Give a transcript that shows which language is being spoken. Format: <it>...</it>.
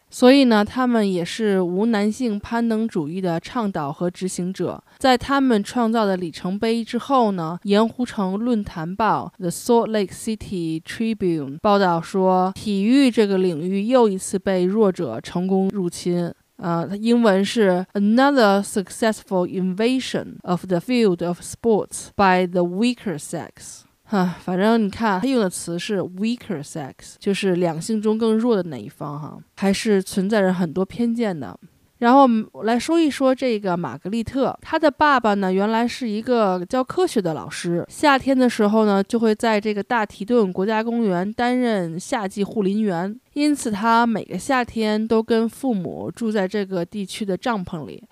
<zh>所以呢，他们也是无男性攀登主义的倡导和执行者。在他们创造的里程碑之后呢，盐湖城论坛报 The Salt Lake City Tribune 报道说，体育这个领域又一次被弱者成功入侵。英文是</zh> <en>Another successful invasion of the field of sports by the weaker sex。</en> <zh>反正你看他用的词是</zh> <en>weaker sex，</en> <zh>就是两性中更弱的那一方哈，还是存在着很多偏见的。然后来说一说这个玛格丽特，她的爸爸呢原来是一个教科学的老师，夏天的时候呢就会在这个大提顿国家公园担任夏季护林员，因此她每个夏天都跟父母住在这个地区的帐篷里。</zh>